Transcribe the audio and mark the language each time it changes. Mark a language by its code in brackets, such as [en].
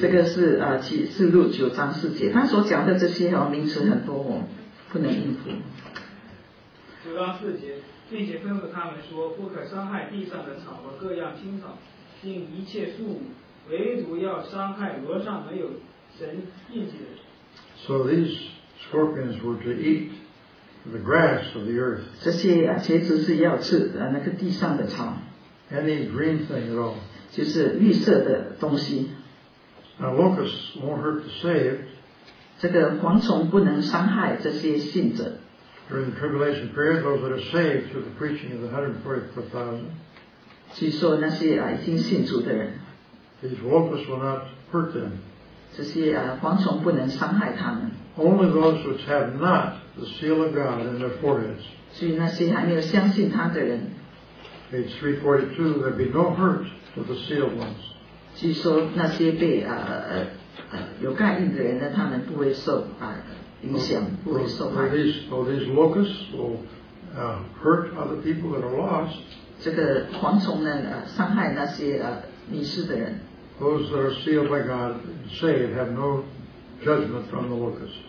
[zh] 这个是启示录九章四节，他所讲的这些哦名词很多，我不能应付。九章四节，并且吩咐他们说，不可伤害地上的草和各样青草，并一切树木，唯独要伤害额上没有神印记的人。 [en] So these scorpions were to eat the grass of the earth. [zh] 这些茄子是要吃那个地上的草。 [en] Any green thing at all. [zh] 就是绿色的东西。 [en] Now locusts won't hurt the saved. [zh] 这个蝗虫不能伤害这些信者。 [en] During the tribulation period, those that are saved through the preaching of the 144,000. [zh] 据说那些已经信主的人。 [en] These locusts will not hurt them. [zh] 这些蝗虫不能伤害他们。 [en] Only those which have not the seal of God in their foreheads. [zh] 所以那些还没有相信他的人。 [en] Page 342, there be no hurt to the sealed ones. [zh] 据说那些被有盖印的人呢，他们不会受影响，不会受害。 [en] These locusts will hurt other people that are lost. [zh] 这个蝗虫呢，伤害那些迷失的人。 [en] Those that are sealed by God and saved have no judgment from the locusts.